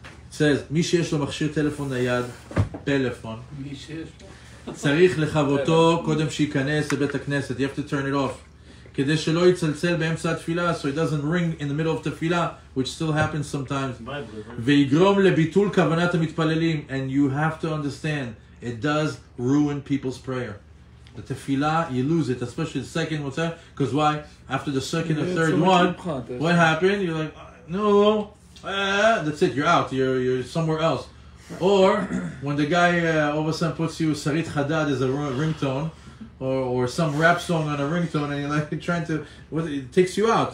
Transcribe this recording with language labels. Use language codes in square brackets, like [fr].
[he] Says, מי שיש לו מכשיר טלפון נייד, פלאפון. צריך לחבותו קודם שייכנס לבית הכנסת. [en] You have to turn it off. [he] כדי שלא יצלצל באמצע התפילה, [en] so it doesn't ring in the middle of תפילה, which still happens sometimes. [he] ויגרום לביטול כוונת המתפללים. [en] And you have to understand, it does ruin people's prayer. The תפילה, you lose it, especially the second one. Because why? After the second or third one, what happened? You're like, no. That's it, you're out, you're somewhere else. Or when the guy all of a sudden puts you Sarit Hadad as a ringtone or some rap song on a ringtone, and you're like trying to, what, it takes you out.